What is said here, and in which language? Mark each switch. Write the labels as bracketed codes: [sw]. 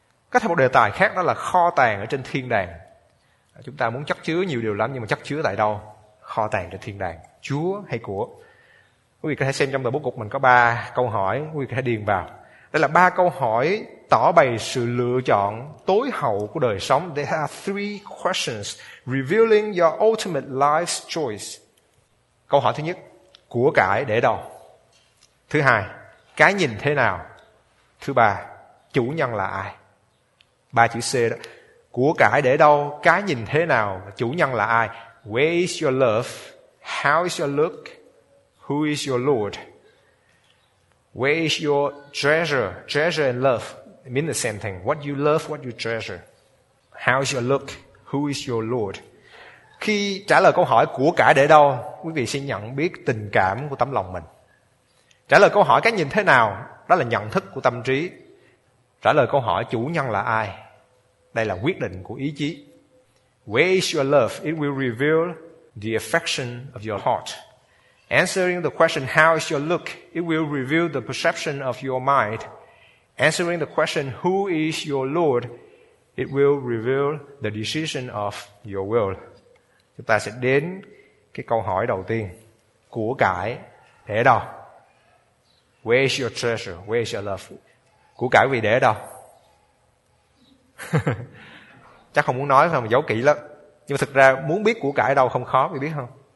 [vi] Có thêm một đề tài khác, đó là kho tàng ở trên thiên đàng. Chúng ta muốn chất chứa nhiều điều lắm, nhưng mà chất chứa tại đâu? Kho tàng trên thiên đàng, chúa hay của? Quý vị có thể xem trong tờ bố cục mình có 3 câu hỏi, quý vị có thể điền vào. Đây là 3 câu hỏi tỏ bày sự lựa chọn tối hậu của đời sống. [en] There are 3 questions revealing your ultimate life's choice. [vi] Câu hỏi thứ nhất, của cải để đâu? Thứ hai, cái nhìn thế nào? Thứ ba, chủ nhân là ai? 3 chữ C đó. Của cải để đâu, cái nhìn thế nào, chủ nhân là ai? [en] Where is your love? How is your look? Who is your Lord? Where is your treasure? Treasure and love mean the same thing. What you love, what you treasure. How is your look? Who is your Lord? [vi] Khi trả lời câu hỏi của cải để đâu, quý vị sẽ nhận biết tình cảm của tấm lòng mình. Trả lời câu hỏi cái nhìn thế nào, đó là nhận thức của tâm trí. Trả lời câu hỏi chủ nhân là ai, đây là quyết định của ý chí. [en] Where is your love? It will reveal the affection of your heart. Answering the question how is your look, it will reveal the perception of your mind. Answering the question who is your Lord, it will reveal the decision of your will. [vi] Chúng ta sẽ đến cái câu hỏi đầu tiên. Của cải để đâu? [en] Where is your treasure? Where is your love? [vi] Của cải vì để đâu? Chắc không muốn nói phải không? Giấu kỹ lắm. Nhưng mà thực ra muốn biết của cải đâu không khó, quý vị biết không?